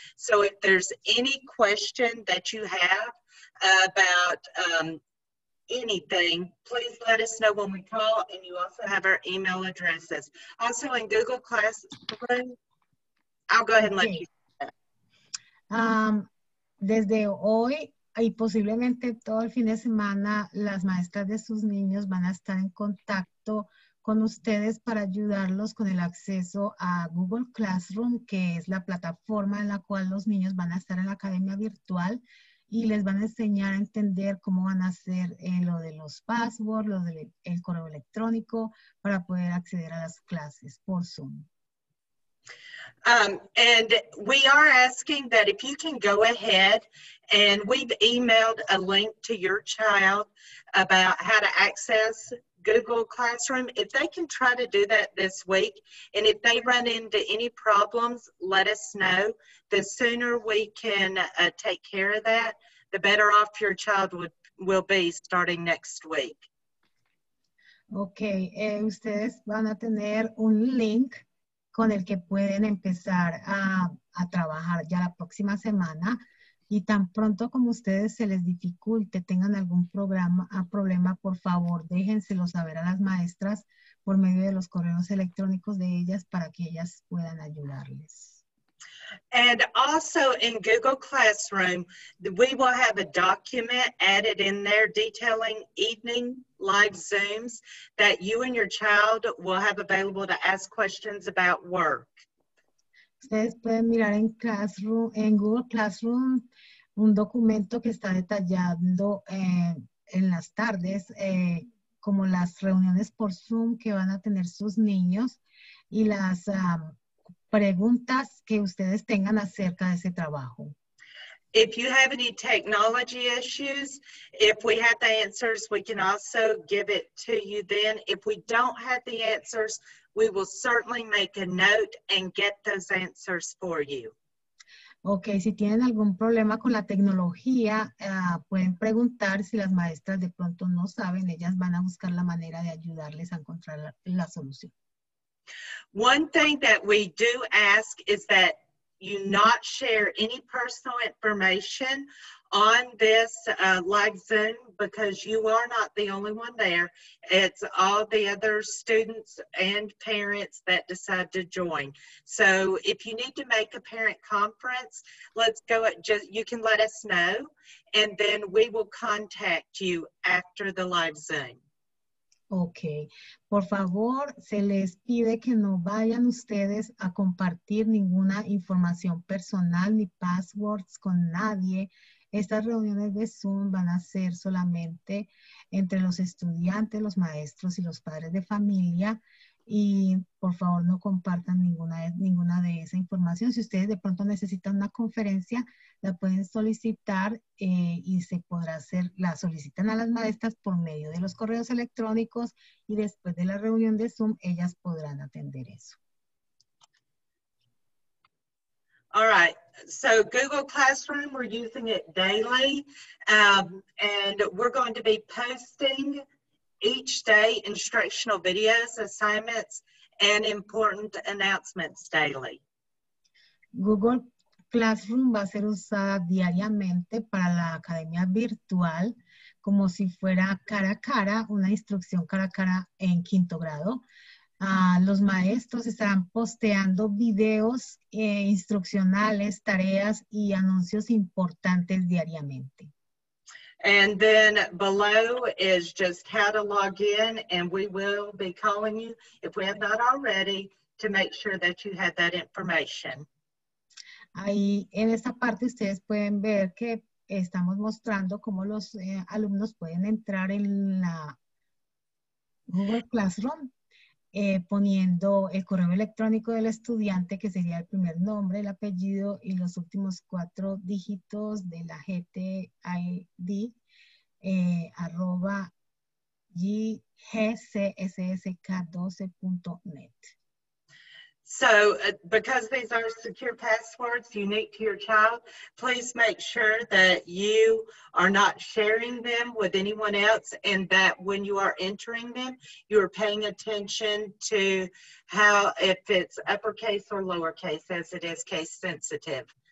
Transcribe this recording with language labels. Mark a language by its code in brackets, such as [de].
[en] So if there's any question that you have about anything, please let us know when we call, and you also have our email addresses. Also in Google Classroom, I'll go ahead and let you know. [es] Desde hoy y posiblemente todo el fin de semana, las maestras de sus niños van a estar en contacto con ustedes para ayudarlos con el acceso a Google Classroom, que es la plataforma en la cual los niños van a estar en la academia virtual. Y les van a enseñar a entender cómo van a hacer lo de los passwords, lo del el correo electrónico para poder acceder a las clases por Zoom. [en] And we are asking that if you can go ahead and we've emailed a link to your child about how to access Google Classroom. If they can try to do that this week, and if they run into any problems, let us know. The sooner we can take care of that, the better off your child will be starting next week. [es] Okay, ustedes van a tener un link con el que pueden empezar a trabajar ya la próxima semana. Y tan pronto como ustedes se les dificulte, tengan algún problema, por favor, déjenselo saber a las maestras por medio de los correos electrónicos de ellas para que ellas puedan ayudarles. [en] And also in Google Classroom, we will have a document added in there detailing evening live Zooms that you and your child will have available to ask questions about work. [es] Ustedes pueden mirar en Classroom, en Google Classroom, un documento que está detallando en las tardes como las reuniones por Zoom que van a tener sus niños y las preguntas que ustedes tengan acerca de ese trabajo. [en] If you have any technology issues, if we have the answers, we can also give it to you then. If we don't have the answers, we will certainly make a note and get those answers for you. [es] Okay, si tienen algún problema con la tecnología, pueden preguntar. Si las maestras de pronto no saben, ellas van a buscar la manera de ayudarles a encontrar la solución. [en] One thing that we do ask is that you not share any personal information on this live Zoom because you are not the only one there. It's all the other students and parents that decide to join. So if you need to make a parent conference, you can let us know and then we will contact you after the live Zoom. [es] Okay, por favor, se les pide que no vayan ustedes a compartir ninguna información personal ni passwords con nadie. Estas reuniones de Zoom van a ser solamente entre los estudiantes, los maestros y los padres de familia. Y por favor, no compartan ninguna de esa información. Si ustedes de pronto necesitan una conferencia, la pueden solicitar y se podrá hacer, la solicitan a las maestras por medio de los correos electrónicos y después de la reunión de Zoom, ellas podrán atender eso. [en] All right, so Google Classroom, we're using it daily, and we're going to be posting each day instructional videos, assignments, and important announcements daily. [es] Google Classroom va a ser usada diariamente para la academia virtual, como si fuera cara a cara, una instrucción cara a cara en quinto grado. Los maestros estarán posteando videos instruccionales, tareas y anuncios importantes diariamente. [en] And then below is just how to log in, and we will be calling you if we have not already to make sure that you have that information. [es] Ahí en esta parte ustedes pueden ver que estamos mostrando cómo los alumnos pueden entrar en la Google Classroom poniendo el correo electrónico del estudiante, que sería el primer nombre, el apellido y los últimos cuatro dígitos de la GTID arroba ggcssk12.net. [en] So, because these are secure passwords unique to your child, please make sure that you are not sharing them with anyone else, and that when you are entering them, you are paying attention to how, if it's uppercase or lowercase, as it is case sensitive.